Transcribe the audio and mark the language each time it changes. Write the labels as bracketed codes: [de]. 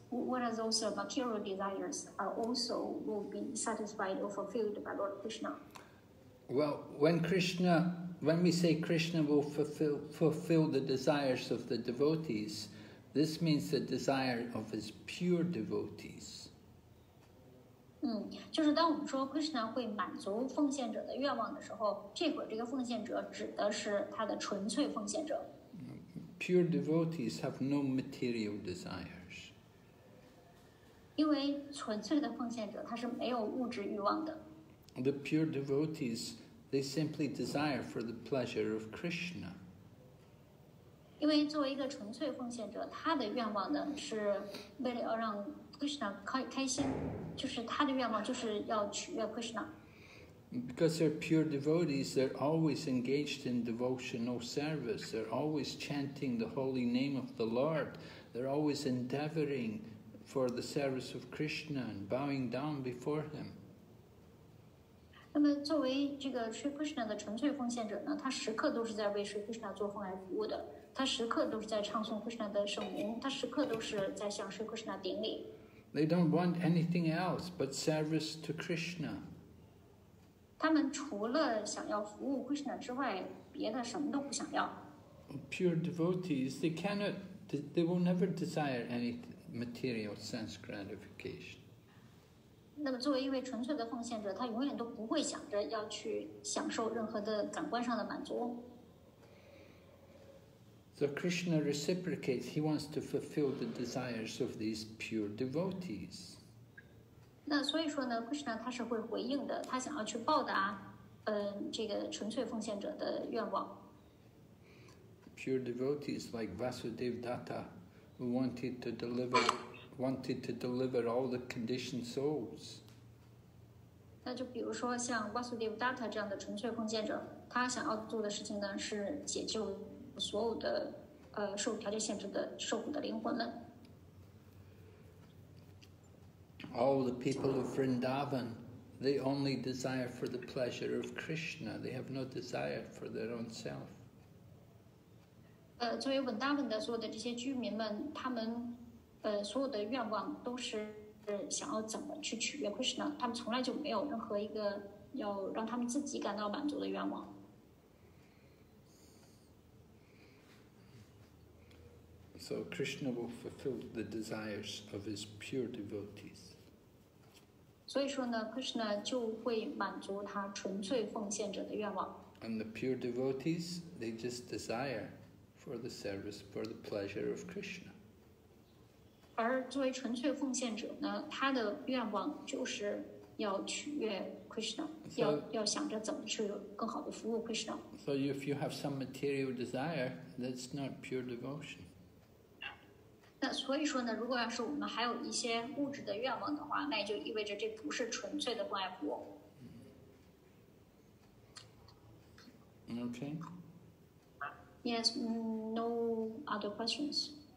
[en] What are those material desires are also will be satisfied or fulfilled by Lord Krishna? Well, when we say Krishna will fulfill the desires of the devotees, this means the desire of his pure devotees. [zh] 就是当我们说 Krishna 会满足奉献者的愿望的时候，这个奉献者指的是他的纯粹奉献者。 [en] Pure devotees have no material desires. [zh] 因为纯粹的奉献者他是没有物质欲望的。 [en] The pure devotees, they simply desire for the pleasure of Krishna. [zh] 因为作为一个纯粹奉献者，他的愿望呢是为了要让 Krishna 开心，就是他的愿望就是要取悦 Krishna. [en] Because they're pure devotees, they're always engaged in devotional service. They're always chanting the holy name of the Lord. They're always endeavoring for the service of Krishna and bowing down before Him. [zh] 那么作为这个 Sri Krishna 的纯粹奉献者呢，他时刻都是在为 Sri Krishna 做奉爱服务的。他时刻都是在唱诵 Krishna 的圣名。他时刻都是在向 Sri Krishna 顶礼。 [en] They don't want anything else but service to Krishna. [zh] 他们除了想要服务 Krishna 之外，别的什么都不想要。 [en] Pure devotees, they cannot, they will never desire any material sense gratification. [zh] 那么，作为一位纯粹的奉献者，他永远都不会想着要去享受任何的感官上的满足。 [en] So Krishna reciprocates. He wants to fulfill the desires of these pure devotees. [zh] 那所以说呢 ，Krishna 他是会回应的，他想要去报答，这个纯粹奉献者的愿望。 [en] Pure devotees like Vasudev Datta, who wanted to deliver all the conditioned souls. [zh] 那就比如说像 Vasudev Datta 这样的纯粹奉献者，他想要做的事情呢是解救所有的，受条件限制的受苦的灵魂们。 [en] All the people of Vrindavan, they only desire for the pleasure of Krishna. They have no desire for their own self. [zh] 作为 Vrindavan 的所有的这些居民们，他们，所有的愿望都是想要怎么去取悦 Krishna. 他们从来就没有任何一个要让他们自己感到满足的愿望。 [en] So Krishna will fulfill the desires of his pure devotees. [zh] 所以说呢 ，Krishna 就会满足他纯粹奉献者的愿望。 [en] And the pure devotees, they just desire for the service, for the pleasure of Krishna. [zh] 而作为纯粹奉献者呢，他的愿望就是要取悦 Krishna， 要想着怎么去更好的服务 Krishna。 [en] So if you have some material desire, that's not pure devotion. [zh] 那所以说呢，如果要是我们还有一些物质的愿望的话，那也就意味着这不是纯粹的关爱服务。 [en] Okay. Yes. No other questions.